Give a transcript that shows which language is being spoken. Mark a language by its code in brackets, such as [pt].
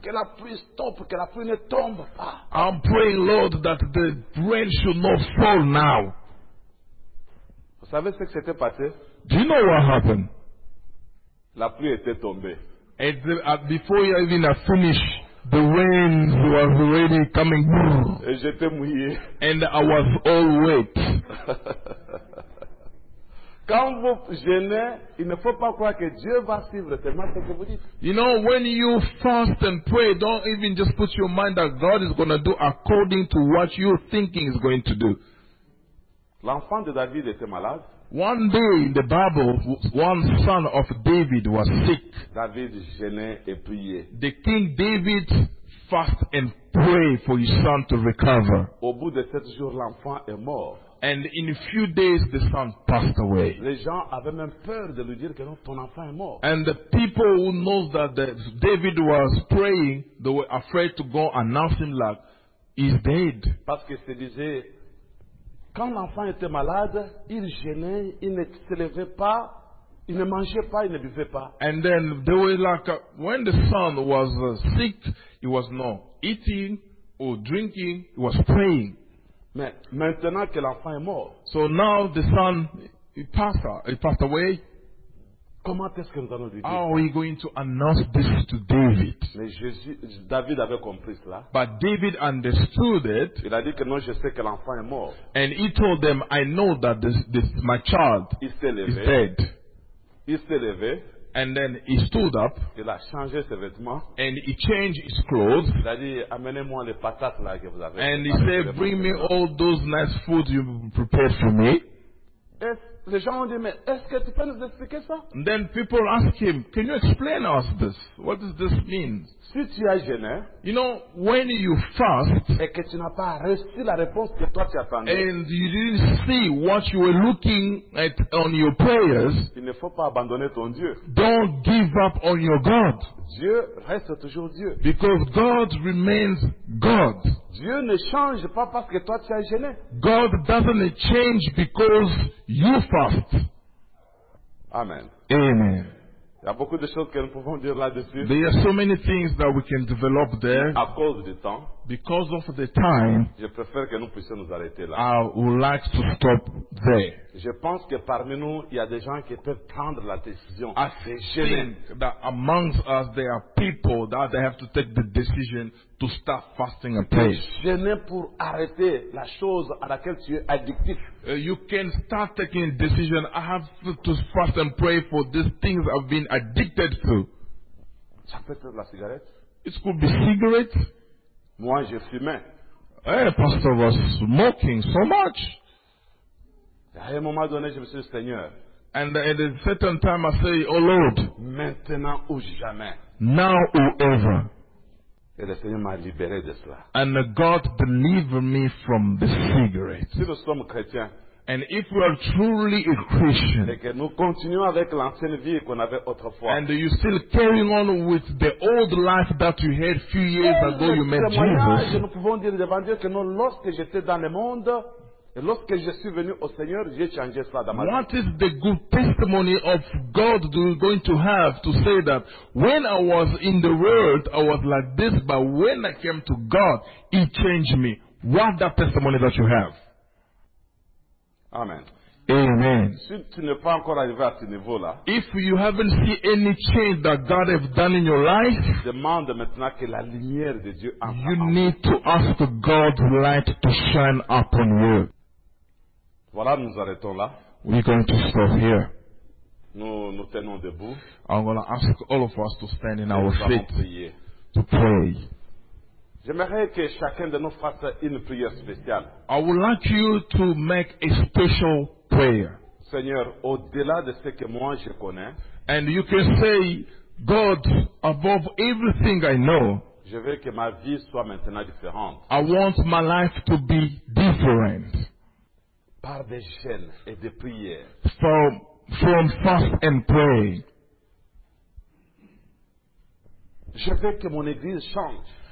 [fr] Que la pluie stop, que la pluie ne tombe pas. [en] I'm praying, Lord, that the rain should not fall now. [fr] Vous savez ce que c'était passé? [en] Do you know what happened? [fr] La pluie était tombée. [en] And before you even finish, the rain was already coming. [fr] Et j'étais mouillé. [en] And I was all wet. [fr] Quand vous jeûnez, il ne faut pas croire que Dieu va suivre seulement ce que vous dites. [en] You know, when you fast and pray, don't even just put your mind that God is going to do according to what you're thinking is going to do. [fr] L'enfant de David était malade. [en] One day in the Bible, one son of David was sick. [fr] David jeûnait et priait. [en] The king David fast and prayed for his son to recover. [fr] Au bout de 7 jours, l'enfant est mort. [en] And in a few days, the son passed away. [fr] Les gens avaient même peur de lui dire que non, ton enfant est mort. [en] And the people who know that David was praying, they were afraid to go announce him like he's dead. [fr] Parce que se disait, quand l'enfant était malade, il gênait, il ne se levait pas, il ne mangeait pas, il ne buvait pas. [en] And then they were like, when the son was sick, he was not eating or drinking, he was praying. [fr] Mais maintenant que l'enfant est mort, [en] so now the son he passed away. [fr] Comment est-ce que nous allons lui dire? [en] How are we going to announce this to David? [fr] Mais Jésus, David avait compris cela. [en] But David understood it. [fr] Il a dit que non, je sais que l'enfant est mort. [en] And he told them, I know that this my child is dead. [fr] Il s'est levé. [en] And then he stood up. [fr] Il a changé ses vêtements. [en] And he changed his clothes. [fr] Il a dit, amenez-moi les patates là que vous avez. [en] And he said, bring me all those nice foods you prepared for me. [fr] Est-ce les gens ont dit, mais est-ce que tu peux nous expliquer ça? [en] And then people ask him, can you explain us this? What does this mean? [fr] Si tu as jeûné, [en] you know, when you fast, [fr] et que tu n'as pas reçu la réponse que toi tu attendais, [en] and you didn't see what you were looking at on your prayers, [fr] il ne faut pas abandonner ton Dieu. [en] Don't give up on your God. [fr] Dieu reste toujours Dieu. [en] Because God remains God. [fr] Dieu ne change pas parce que toi tu as jeûné. [en] God doesn't change because you fast. [fr] Amen. [en] Amen. [fr] Il y a beaucoup de choses que nous pouvons dire là-dessus. [en] There are so many things that we can develop there. [fr] À cause du temps. [en] Because of the time. [fr] Je préfère que nous puissions nous arrêter là. [en] I would like to stop there. [fr] Je pense que parmi nous, il y a des gens qui peuvent prendre la décision. [en] I think that amongst us there are people that they have to take the decision to start fasting and pray. [fr] Je n'ai pour arrêter la chose à laquelle tu es addictif. [en] You can start taking a decision. I have to fast and pray for these things I've been addicted to. [fr] Ça peut être la cigarette. [en] It could be cigarette. [fr] Moi, je fumais. [en] Hey, pastor was smoking so much. [fr] À un moment donné, je me suis dit, Seigneur. [en] And at a certain time, I say, oh Lord. [fr] Maintenant ou jamais. [en] Now or ever. [fr] Et le Seigneur m'a libéré de cela. [en] And God delivered me from the cigarette. [fr] Si nous sommes chrétiens. [en] And if we are truly a Christian. [fr] Et que nous continuons avec l'ancienne vie qu'on avait autrefois. [en] And you still carrying on with the old life that you had few years ago you met Jesus. [fr] Nous pouvons dire devant Dieu que non, lorsque j'étais dans le monde. Et lorsque je suis venu au Seigneur, j'ai changé cela dans ma vie. [en] What is the good testimony of God do you going to have to say that when I was in the world, I was like this, but when I came to God, He changed me. What that testimony that you have? [fr] Amen. [en] Amen. [fr] Si tu n'es pas encore arrivé à ce niveau-là, [en] if you haven't seen any change that God has done in your life, [fr] demande maintenant que la lumière de Dieu en [en] you need to ask God's light to shine upon you. [fr] Voilà, nous arrêtons là. [en] We're going to stop here. [fr] Nous tenons debout. [en] I'm going to ask all of us to stand in [fr] Et [en] our feet [fr] prier. [en] To pray. [fr] J'aimerais que chacun de nous fasse une prière spéciale. [en] I would like you to make a special prayer. [fr] Seigneur, au-delà de ce que moi je connais, [en] and you can say, God, above everything I know, [fr] je veux que ma vie soit maintenant différente. [en] I want my life to be different. [fr] Par des jeûnes et des prières. [en] From fast and pray. [fr] Je veux que mon église change.